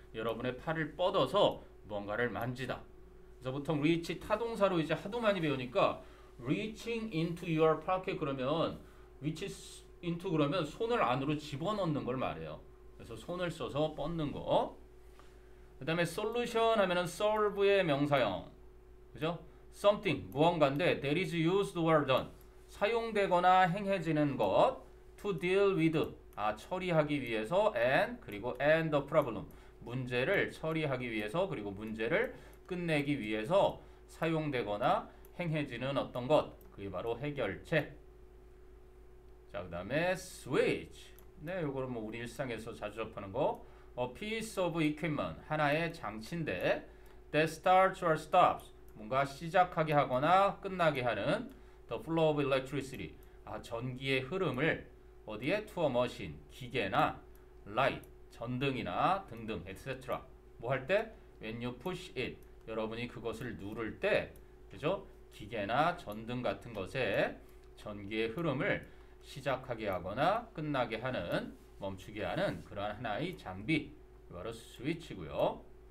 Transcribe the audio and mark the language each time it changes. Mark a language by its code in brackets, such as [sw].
[ko] 여러분의 팔을 뻗어서 무언가를 만지다. 그래서 보통 reach 타동사로 이제 하도 많이 배우니까 [en] reaching into your pocket [ko] 그러면 reach into 그러면 손을 안으로 집어넣는 걸 말해요. 그래서 손을 써서 뻗는 거. 그 다음에 solution 하면은 solve의 명사형. 그죠? [en] something, [ko] 무언가인데 [en] that is used or done. [ko] 사용되거나 행해지는 것. [en] to deal with, [ko] 아 처리하기 위해서 [en] and, [ko] 그리고 [en] and the problem. [ko] 문제를 처리하기 위해서 그리고 문제를 끝내기 위해서 사용되거나 행해지는 어떤 것. 그게 바로 해결체. 자, 그 다음에 switch. 네, 요거는 뭐 우리 일상에서 자주 접하는 거. [en] A piece of equipment, [ko] 하나의 장치인데 [en] that starts or stops, [ko] 뭔가 시작하게 하거나 끝나게 하는 [en] the flow of electricity, [ko] 아 전기의 흐름을 어디에? [en] to a machine, [ko] 기계나 [en] light, [ko] 전등이나 등등 [en] etc. [ko] 뭐 할 때? [en] when you push it, [ko] 여러분이 그것을 누를 때 그죠? 기계나 전등 같은 것에 전기의 흐름을 시작하게 하거나 끝나게 하는 멈추게 하는 그런 하나의 장비 바로 스위치고요.